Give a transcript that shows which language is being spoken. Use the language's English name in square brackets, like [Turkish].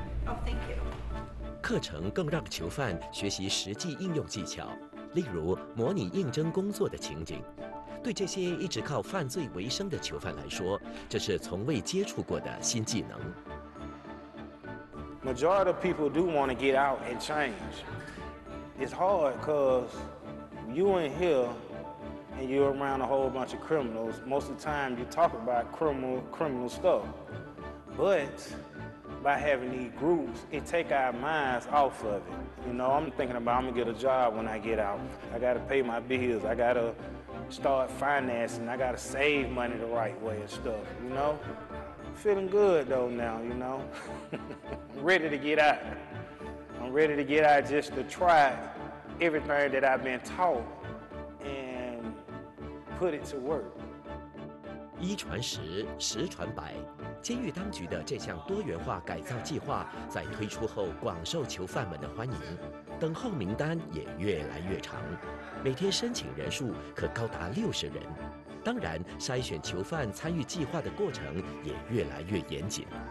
[English] Oh, thank you. [Chinese] 课程更让囚犯学习实际应用技巧，例如模拟应征工作的情景。对这些一直靠犯罪为生的囚犯来说，这是从未接触过的新技能。 [English] Majority of people do want to get out and change. It's hard because you in here and you're around a whole bunch of criminals. Most of the time you talk about criminal stuff. But by having these groups, it take our minds off of it. You know, I'm thinking about I'm going to get a job when I get out. I got to pay my bills. I got to start financing. I got to save money the right way and stuff, you know? Feeling good though now, you know? Ready to get out. I'm ready to get out just to try everything that I've been taught and put it to work. [Chinese] 一传十，十传百，监狱当局的这项多元化改造计划在推出后广受囚犯们的欢迎，等候名单也越来越长，每天申请人数可高达60人。当然，筛选囚犯参与计划的过程也越来越严谨。